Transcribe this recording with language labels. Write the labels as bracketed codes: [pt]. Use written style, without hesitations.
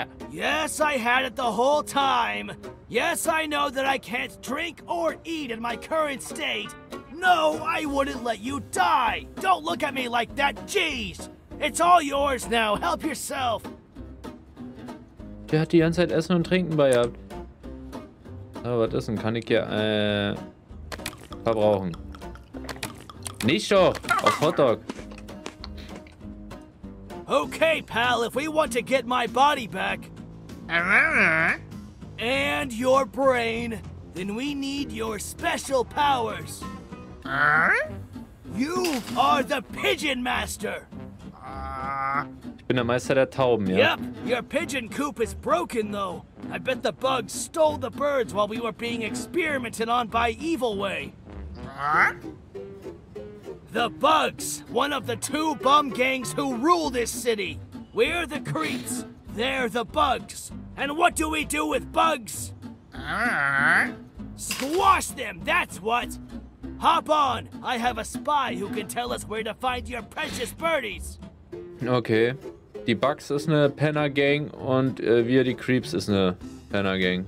[en] Yes, I had it the whole time. Yes, I know that I can't drink or eat in my current state. No, I wouldn't let you die. Don't look at me like that, jeez. It's all yours now. Help yourself. [de] Der hat die ganze Zeit Essen und Trinken bei gehabt. Aber was ist denn? Kann ich hier verbrauchen? Nicht doch! Auf Hotdog! [en] Okay, pal, if we want to get my body back. And your brain, then we need your special powers. You are the pigeon master. [de] Ich bin der Meister der Tauben, ja. [en] Yep, your pigeon coop is broken though. I bet the bugs stole the birds while we were being experimented on by Evil Way. The bugs, one of the two bum gangs who rule this city. We're the creeps, they're the bugs. And what do with bugs? Squash them, that's what. Hop on, I have a spy who can tell us where to find your precious birdies. Okay. [de] Die Bugs ist eine Penner-Gang und wir, die Creeps, ist eine Penner-Gang.